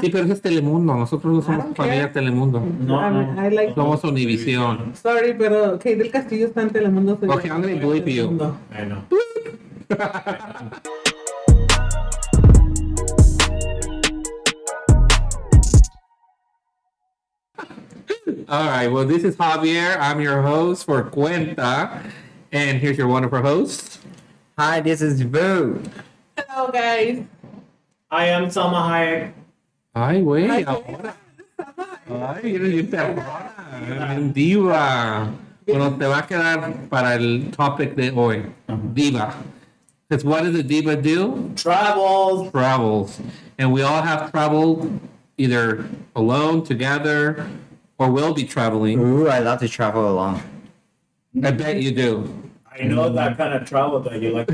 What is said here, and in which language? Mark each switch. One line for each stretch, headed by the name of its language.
Spanish: Sí, pero ese es Telemundo. Nosotros no somos familia Telemundo. No, no.
English: I like
Spanish: somos Univision. Sorry, pero Kate del Castillo está en Telemundo.
English: So okay, I'm going to bleep you. I know. All right, well, this is Javier. I'm your host for Cuenta. And here's your wonderful host. Hi, this is Boo. Hello, guys. I am Salma Hayek.
Spanish: Ay, wey. Ay, eres bien perrona. Diva. Bueno, te va a quedar para el topic de hoy.
English: Diva. Because what does a diva do? Travels. Travels. And we all have traveled either alone, together, or will be traveling. Ooh, I love to travel alone. I bet you do. I know that kind of travel that you like to